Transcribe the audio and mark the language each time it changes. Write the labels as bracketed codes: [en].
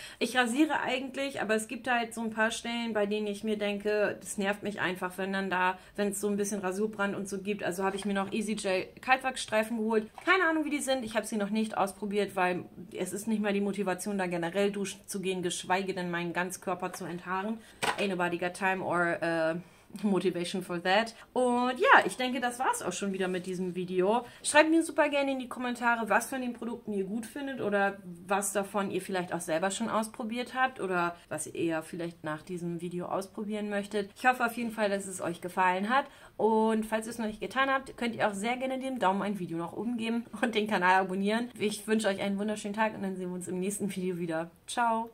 [de] Ich rasiere eigentlich, aber es gibt halt so ein paar Stellen, bei denen ich mir denke, das nervt mich einfach, wenn dann da, wenn es so ein bisschen Rasurbrand und so gibt. Also habe ich mir noch Easy Gel Kaltwachsstreifen geholt. Keine Ahnung, wie die sind. Ich habe sie noch nicht ausprobiert, weil es ist nicht mal die Motivation, da generell duschen zu gehen, geschweige denn meinen ganzen Körper zu enthaaren. [en] Ain't nobody got time or motivation for that. [de] Und ja, ich denke, das war es auch schon wieder mit diesem Video. Schreibt mir super gerne in die Kommentare, was von den Produkten ihr gut findet oder was davon ihr vielleicht auch selber schon ausprobiert habt oder was ihr vielleicht nach diesem Video ausprobieren möchtet. Ich hoffe auf jeden Fall, dass es euch gefallen hat. Und falls ihr es noch nicht getan habt, könnt ihr auch sehr gerne dem Daumen ein Video nach oben geben und den Kanal abonnieren. Ich wünsche euch einen wunderschönen Tag und dann sehen wir uns im nächsten Video wieder. Ciao!